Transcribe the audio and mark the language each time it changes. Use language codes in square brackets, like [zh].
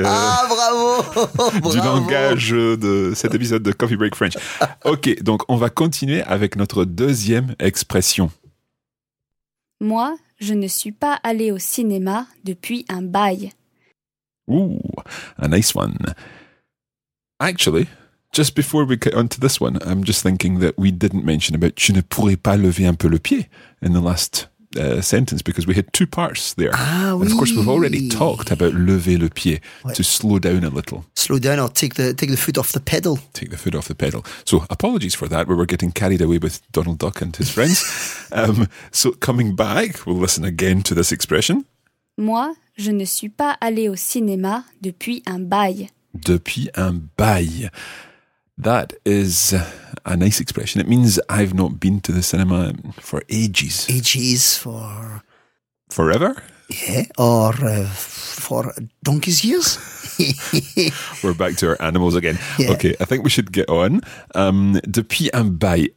[fr] bravo langage de cet épisode de Coffee Break French. Ok, donc on va continuer avec notre deuxième expression. Moi, je ne suis pas allé au cinéma depuis un bail. [en] Ooh, a nice one. Actually, just before we get onto this one, I'm just thinking that we didn't mention about tu ne pourrais pas lever un peu le pied in the last sentence because we had two parts there. Ah, oui. And of course, we've already talked about lever le pied, ouais. To slow down a little. Slow down or take the foot off the pedal. Take the foot off the pedal. So apologies for that. We were getting carried away with Donald Duck and his friends. So coming back, we'll listen again to this expression. [fr] Moi, je ne suis pas allé au cinéma depuis un bail. Depuis un bail. [en] That is a nice expression. It means I've not been to the cinema for ages. Ages for... Forever? Yeah, or for donkey's years. We're back to our animals again. Yeah. Okay, I think we should get on. Depuis un bail.